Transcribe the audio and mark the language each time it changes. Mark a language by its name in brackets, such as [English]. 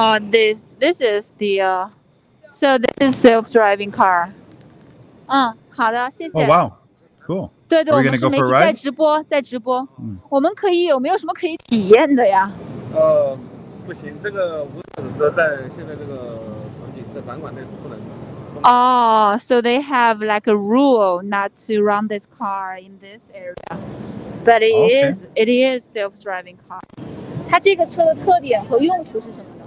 [English] This is the so this is self-driving car. [Chinese] 好的，谢谢。 [English] Oh wow, cool. [Chinese] 对对，我们是媒体在直播，在直播。我们可以有没有什么可以体验的呀？不行，这个无人驾驶车在现在这个场景在展馆内是不能的。 [English] Oh, so they have like a rule not to run this car in this area, but it is self-driving car. [Chinese] 它这个车的特点和用途是什么？